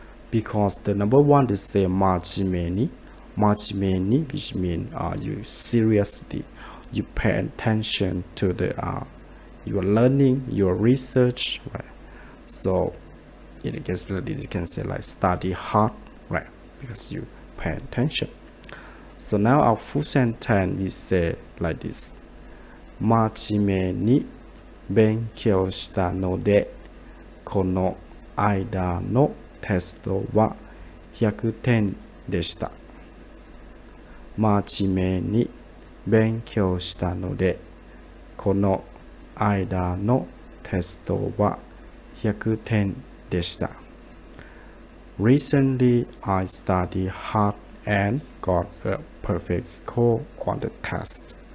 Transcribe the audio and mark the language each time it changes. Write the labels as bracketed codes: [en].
[en] Because the number one is say [ja] 真面目に.真面目に [en] which means you seriously, you pay attention to the your learning, your research, right? So in case you can say like study hard, right? Because you pay attention. So now our full sentence is say like this. [ja] 真面目に勉強したので、この間のテストは100点でした。真面目に勉強したので、この間のテストは100点でした。 [en] Recently, I studied hard and got a perfect score on the test.